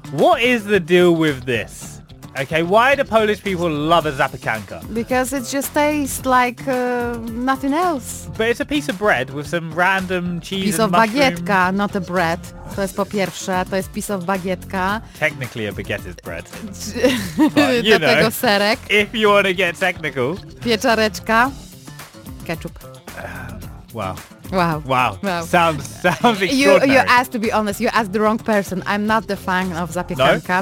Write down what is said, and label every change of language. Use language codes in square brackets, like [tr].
[en] What is the deal with this? Okay, why do Polish people love a zapiekanka? Because it just tastes like nothing else. But it's a piece of bread with some random cheese piece and mushroom. Piece of bagietka, not a bread. [pl] To jest po pierwsze, to jest [en] piece of [pl] bagietka. [en] Technically a baguette is bread. But, you do know, [pl] tego serek. [en] If you want to get technical. [pl] Pieczareczka. Ketchup. [en] Wow. Wow. Wow. Sounds extraordinary. You asked, to be honest, you asked the wrong person. I'm not the fan of zapiekanka.